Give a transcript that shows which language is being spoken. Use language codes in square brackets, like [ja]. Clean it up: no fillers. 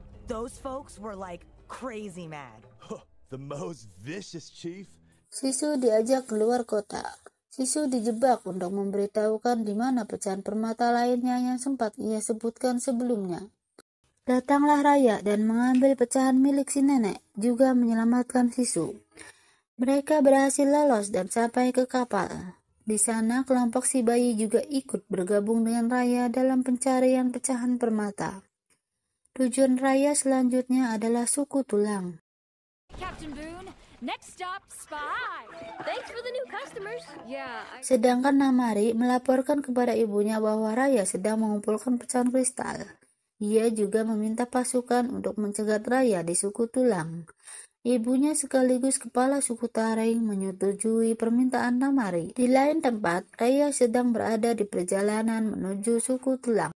[en] Those folks were like crazy mad. The most vicious chief. [id] Sisu diajak keluar kota. Sisu dijebak untuk memberitahukan di mana pecahan permata lainnya yang sempat ia sebutkan sebelumnya. Datanglah Raya dan mengambil pecahan milik si nenek, juga menyelamatkan Sisu. Mereka berhasil lolos dan sampai ke kapal. Di sana, kelompok si bayi juga ikut bergabung dengan Raya dalam pencarian pecahan permata. Tujuan Raya selanjutnya adalah suku tulang. [en] Captain Boone, next stop, spy. Thanks for the new customers. [id] Sedangkan Namari melaporkan kepada ibunya bahwa Raya sedang mengumpulkan pecahan kristal. Ia juga meminta pasukan untuk mencegat Raya di suku tulang. Ibunya sekaligus kepala suku Taring menyetujui permintaan Namari. Di lain tempat, Raya sedang berada di perjalanan menuju suku tulang.